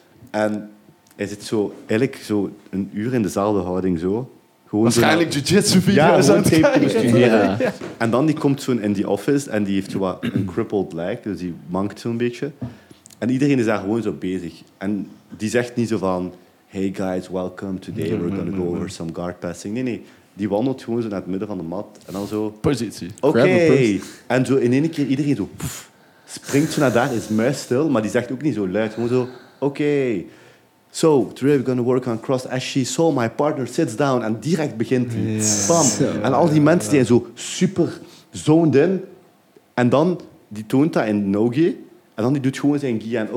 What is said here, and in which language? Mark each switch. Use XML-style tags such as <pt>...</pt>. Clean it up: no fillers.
<nl>En hij zit zo eigenlijk zo een uur in dezelfde houding zo. Gewoon waarschijnlijk zo, jiu-jitsu-video's aan het kijken. Ja. En dan die komt zo in die office en die heeft zo wat een crippled leg. Dus die mankt zo'n beetje. En iedereen is daar gewoon zo bezig. En die zegt niet zo van...</nl> <en>Hey guys, welcome. Today we're gonna go over some guard passing.</en> <nl>Nee. Die wandelt gewoon zo naar het midden van de mat. En dan zo... Positie. Oké. En zo in één keer iedereen zo... Pff, springt zo naar daar, is muisstil. Maar die zegt ook niet zo luid. Gewoon zo... Oké.</nl> <en>So, today we're going to work on cross. As she saw, my partner sits down.</en> <nl>En direct begint hij. Bam. So, en al die mensen die zijn zo super zoned in. En dan, die toont dat in no-gi. En dan die doet gewoon zijn gi aan.</nl>